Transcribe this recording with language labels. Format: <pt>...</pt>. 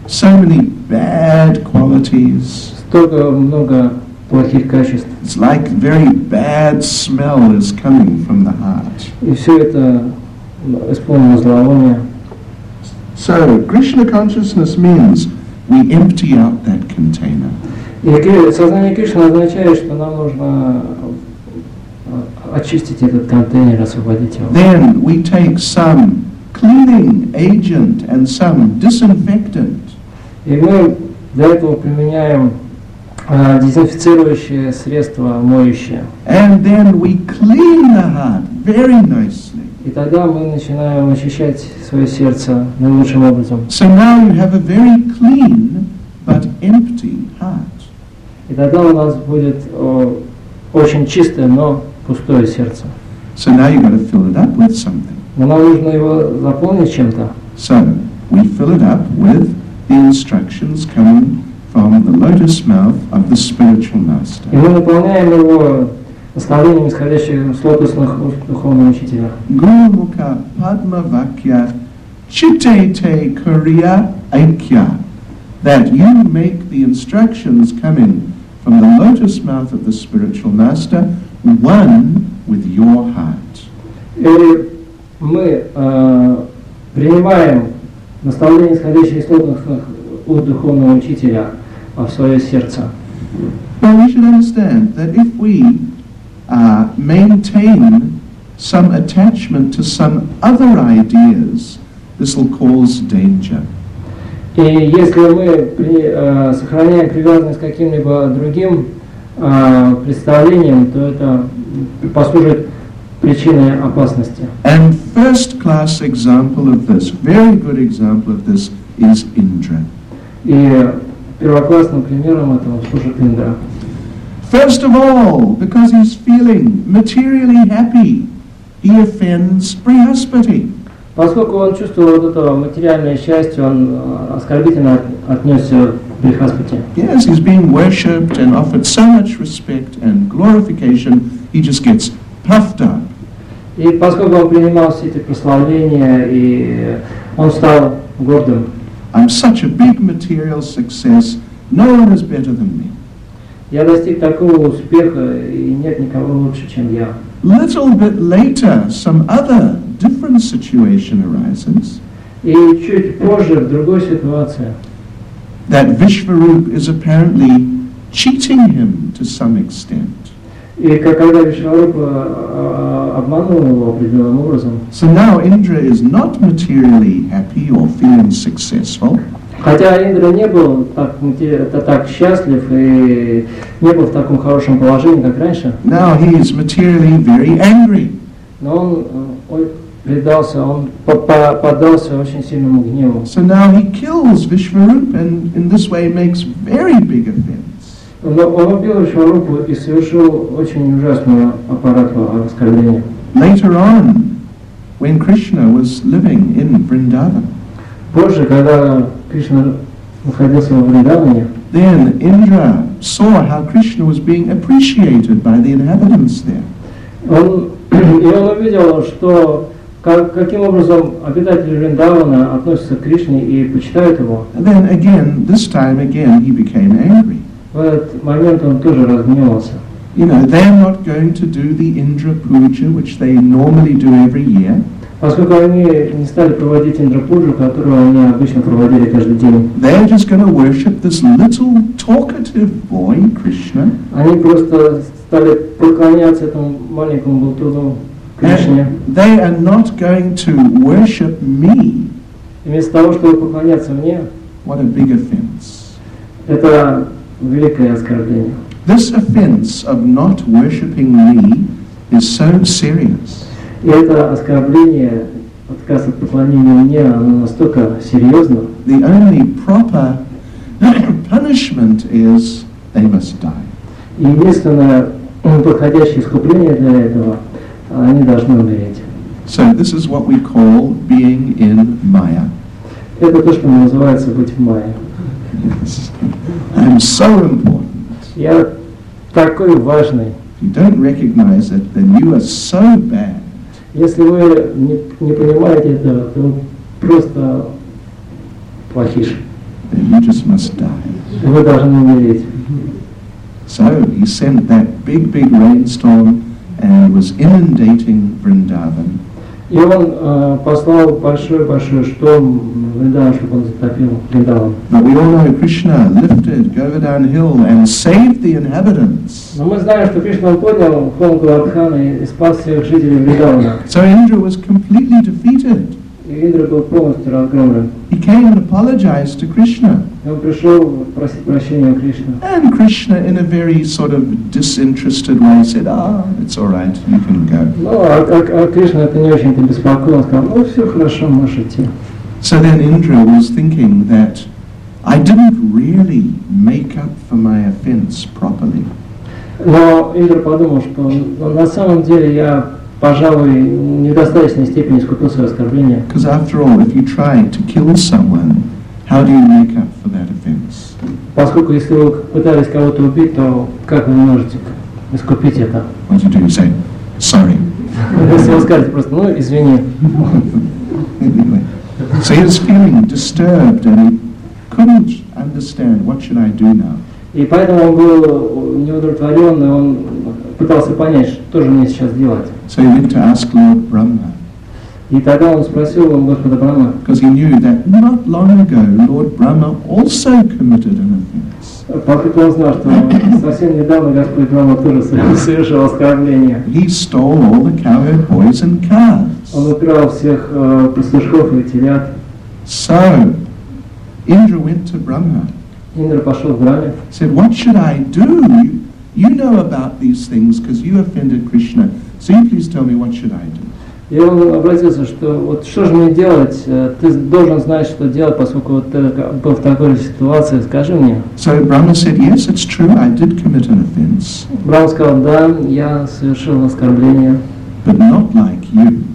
<en>So many bad qualities.</en> <ru>Столько много плохих качеств.</ru> <en>It's like very bad smell is coming from the heart.</en> <ru>И все это исполнено зловония.</ru> <en>So, Krishna consciousness means we empty out that container.</en> <ru>Сознание Кришны означает, что нам нужно очистить этот контейнер, освободить его.</ru> <en>Then we take some cleaning agent and some disinfectant.</en> <ru>И мы для этого применяем дезинфицирующее средство, моющее.</ru> <en>And then we clean the heart very nicely.</en> <ru>И тогда мы начинаем очищать свое сердце наилучшим образом.</ru> <en>So now you have a very clean but empty heart.</en> <ru>И тогда у нас будет очень чистое, но пустое сердце.</ru> <en>So now you've got to fill it up with something.</en> <ru>Но нам нужно его заполнить чем-то.</ru> <en>So we fill it up with the instructions coming from the lotus mouth of the spiritual master.</en> <ru>И мы наполняем его наставлениями, исходящими с лотосных уст духовного учителя.</ru> <bn>Гурмука Падма Вакья Читейте Курия Айкья.</bn> <en>That you make the instructions coming from the lotus mouth of the spiritual master one with your heart.</en> <ru>Или мы принимаем наставления, исходящие с лотосных уст духовного учителя в свое сердце.</ru> <en>Well, we should understand that if we maintain some attachment to some other ideas, this will cause danger.</en> <ru>И если мы сохраняем привязанность к каким-либо другим представлениям, то это послужит причиной опасности.</ru> <en>And first class example of this, very good example of this, is Indra.</en> <ru>И первоклассным примером этого служит Индра.</ru> <en>First of all, because he's feeling materially happy, he offends Brihaspati.</en> <ru>Поскольку он чувствовал это материальное счастье, он оскорбительно отнесся к Брихаспати.</ru> <en>Yes, he's being worshipped and offered so much respect and glorification, he just gets puffed up.</en> <ru>И поскольку он принимал все эти прославления, и он стал гордым.</ru> <en>I'm such a big material success, no one is better than me.</en> <ru>Я достиг такого успеха, и нет никого лучше, чем я.</ru> <en>Little bit later, some other different situation arises.</en> <ru>И чуть позже, в другой ситуации.</ru> <en>That Vishwaroop is apparently cheating him to some extent.</en> <ru>И когда Вишварупа обманул его определенным образом.</ru> <en>So now Indra is not materially happy or feeling successful.</en> <ru>Хотя Индра не был так счастлив и не был в таком хорошем положении, как раньше.</ru> <en>Now he is materially very angry.</en> <ru>Но он предался, он поддался очень сильному гневу.</ru> <en>So now he kills Vishwaroop and in this way makes very big offense.</en> <ru>Но он убил Вишварупу и совершил очень ужасную аппаратную оскорбление.</ru> <en>Later on, when Krishna was living in Vrindavan.</en> <ru>Позже, когда Кришна находился во Вриндаване.</ru> <en>Then Indra saw how Krishna was being appreciated by the inhabitants there.</en> <ru>Он увидел, что каким образом обитатели Вриндавана относятся к Кришне и почитают его?</ru> <en>And then again, this time again, he became angry.</en> <ru>В этот момент он тоже разгневался.</ru> <en>You know, they are not going to do the Indra Puja, which they normally do every year.</en> <ru>Поскольку они не стали проводить Индра-пуджу, которую они обычно проводили каждый день.</ru> <en>They are just going to worship this little talkative boy, Krishna.</en> <ru>Они просто стали поклоняться этому маленькому болтуну Кришне.</ru> <en>They are not going to worship me.</en> <ru>И вместо того, чтобы поклоняться мне.</ru> <en>What a big offense.</en> <ru>Это великое оскорбление.</ru> <en>This offense of not worshiping me is so serious.</en> <ru>И это оскорбление, отказ от поклонения мне, оно настолько серьезно.</ru> <en>The only proper punishment is they must die.</en> <ru>И единственное подходящее искупление для этого, они должны умереть.</ru> <en>So this is what we call being in Maya.</en> <ru>Это то, что называется быть в Майе.</ru> <en>Yes. I'm so important.</en> <ru>Я такой важный.</ru> <en>If you don't recognize it, then you are so bad.</en> <ru>Если вы не понимаете это, то вы просто плохиш.</ru> <en>You just must die.</en> <ru>Вы должны умереть.</ru> <en>So he sent that big, big rainstorm and was inundating Vrindavan.</en> <ru>И он послал большой-большой шторм Вриндаван, чтобы он затопил Вриндаван.</ru> <en>But we all know Krishna lifted Govardhan Hill and saved the inhabitants.</en> <ru>Но мы знаем, что Кришна поднял холм Говардхана и спас всех жителей Вриндавана.</ru> <en>So Indra was completely defeated.</en> <ru>И Индра был полностью разгромлен.</ru> <en>He came and apologized to Krishna.</en> <ru>И он пришел просить прощения у Кришны.</ru> <en>And Krishna, in a very sort of disinterested way, said, "Ah, it's all right, you can go."</en> <ru>Ну, а Кришна это не очень-то беспокоило, сказал, "Ну, все хорошо, можешь идти."</ru> <en>So then Indra was thinking that I didn't really make up for my offense properly.</en> <ru>Но Индра подумал, что на самом деле я, пожалуй, не в достаточной степени искупил свое оскорбление.</ru> <en>Because after all, if you try to kill someone, how do you make up for that offense?</en> <ru>Поскольку если вы пытались кого-то убить, то как вы можете искупить это?</ru> <en>What do you say? Sorry.</en> <ru>Если вы скажете просто, ну, извини.</ru> <en>So he was feeling disturbed and he couldn't understand what should I do now.</en> <ru>И поэтому он был неудовлетворен, и он пытался понять, что же мне сейчас делать.</ru> <en>So he went to ask Lord Brahma.</en> <ru>И тогда он спросил у Господа Брахма.</ru> <en>Because he knew that not long ago Lord Brahma also committed an offense.</en> <ru>Поскольку он знал, что совсем недавно Господь Брахма тоже совершил оскорбление.</ru> <en>He stole all the cowherd boys and calves.</en> <ru>Он украл всех пастушков и телят.</ru> <en>So, Indra went to Brahma.</en> <ru>Индра пошел к Брахме.</ru> <en>Said, what should I do? You know about these things, because you offended Krishna. So you please tell me, what should I do?</en> <ru>И он обратился, что вот что же мне делать? Ты должен знать, что делать, поскольку вот ты был в такой ситуации. Скажи мне.</ru> <en>So Brahma said, yes, it's true, I did commit an offense.</en> <ru>Брахма сказал, да, я совершил оскорбление.</ru> <en>But not like you.</en>